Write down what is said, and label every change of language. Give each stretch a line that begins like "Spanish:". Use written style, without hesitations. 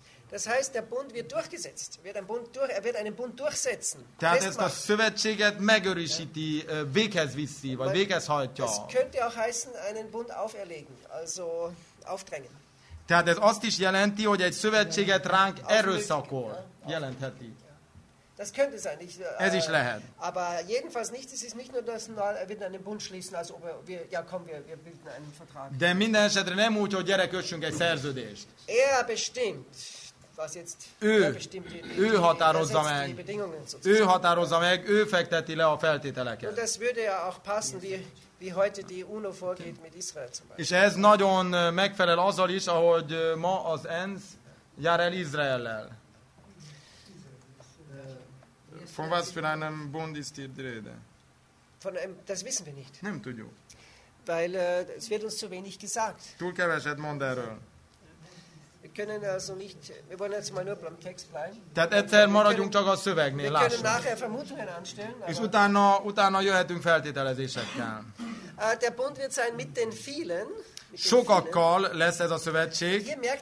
German: Das heißt, der Bund wird durchgesetzt. Wird einen Bund durchsetzen.
Hungarian: Tehát ezt a szövetséget megerősíti, véghez viszi, vagy véghez hajtja.
German: Das könnte auch heißen, einen Bund auferlegen, also aufdrängen.
Hungarian: Tehát ez azt is jelenti, hogy egy szövetséget ránk erőszakol. Jelentheti.
German: Das könnte sein. Ich,
Hungarian: ez is lehet.
German: Aber jedenfalls nicht, es ist nicht nur das, wird einen Bund schließen, als ob wir, ja komm, wir bilden einen Vertrag.
Hungarian: De minden esetre nem úgy, hogy gyere, kössünk egy szerződést.
German: Er bestimmt, was jetzt,
Hungarian: ő,
German: er bestimmt,
Hungarian: ő határozza meg.
German: Die Bedingungen,
Hungarian: ő határozza meg, ő fekteti le a feltételeket.
German: Und das würde ja auch passen, wie heute die UNO vorgeht mit Israel zum Beispiel.
Hungarian: És ez nagyon megfelel azzal is, ahogy ma az ENSZ jár el Izraellel.
German: Von was für einem Bund ist hier die Rede? Von einem, das wissen wir nicht.
Hungarian: Nem tudjuk.
German: Weil es wird uns zu wenig gesagt.
Hungarian: Túl keveset mond erről.
German: Wir können also nicht, wir wollen jetzt mal nur beim Text bleiben.
Hungarian: Tehát egyszer maradjunk csak a szövegnél, lássuk.
German: Wir können nachher Vermutungen anstellen.
Hungarian: És utána jöhetünk feltételezésekkel.
German: Der Bund wird sein mit den vielen.
Hungarian: Sokakkal lesz ez a szövetség.